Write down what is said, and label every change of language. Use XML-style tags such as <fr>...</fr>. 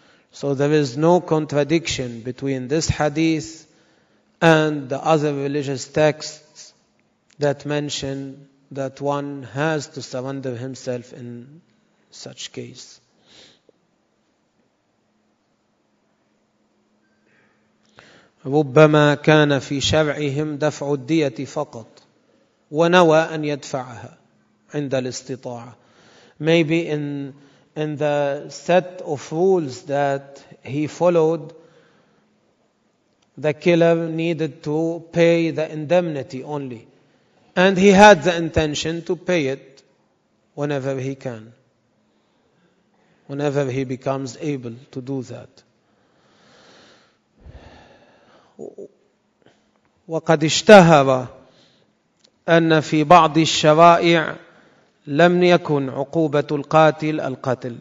<en>So there is no contradiction between this hadith and the other religious texts that mention that one has to surrender himself in such case.</en> <ar>ربما كان في شرعهم دفع الدية فقط ونوى أن يدفعها عند الاستطاعة.</ar> <en>Maybe in the set of rules that he followed, the killer needed to pay the indemnity only, and he had the intention to pay it whenever he can, whenever he becomes able to do that.</en> <ar>وقد اشتهر أن في بعض الشرائع لم يكن عقوبة القاتل القتل.</ar>